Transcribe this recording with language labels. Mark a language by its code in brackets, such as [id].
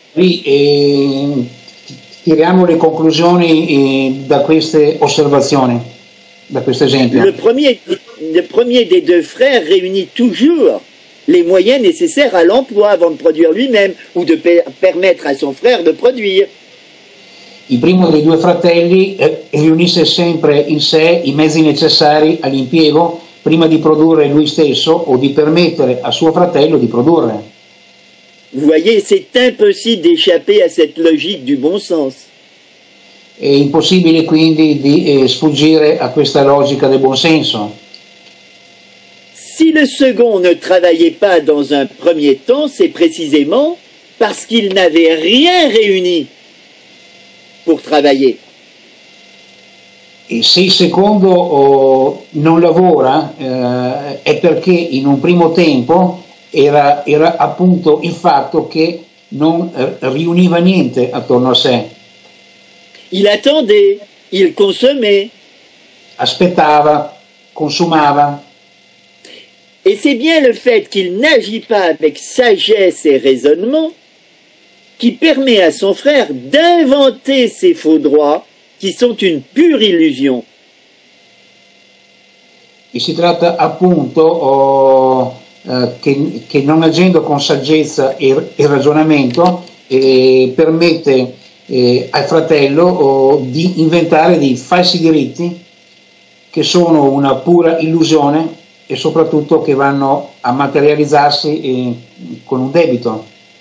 [it] Oui, tiriamo le conclusioni da queste osservazioni, da questo esempio. [fr] Le premier des deux frères réunit toujours les moyens nécessaires à l'emploi avant de produire lui-même ou de permettre à son frère de produire. [it] Il primo dei due fratelli riunisse sempre in sé i mezzi necessari all'impiego prima di produrre lui stesso o di permettere a suo fratello di produrre. [fr] Vous voyez, c'est impossible d'échapper à cette logique du bon sens. [it] È impossibile quindi di sfuggire a questa logica del buon senso. [fr] Si le second ne travaillait pas dans un premier temps, c'est précisément parce qu'il n'avait rien réuni pour travailler. [it] Et se il secondo non lavora è perché in un primo tempo era appunto il fatto che non riuniva niente attorno a sé. [fr] Il attendait, il consommait. [it] Aspettava, consumava. [fr] Et c'est bien le fait qu'il n'agit pas avec sagesse et raisonnement qui permet à son frère d'inventer ces faux droits qui sont une pure illusion. [it] Et si tratta appunto che non agendo con saggezza e ragionamento permette al fratello di inventare dei falsi diritti che sono una pura illusione e soprattutto che vanno a materializzarsi con un debito.